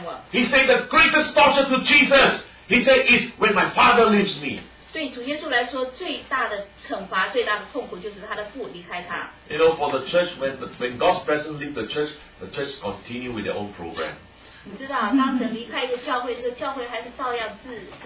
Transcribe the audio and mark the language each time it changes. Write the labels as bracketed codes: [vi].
[en] He said the greatest torture to Jesus, he said, is when my father leaves me. [zh] 对主耶稣来说，最大的惩罚，最大的痛苦就是他的父离开他。 [en] You know, for the church, when God's presence leaves the church continue with their own program. [zh] 你知道，当神离开一个教会，这个教会还是照样自。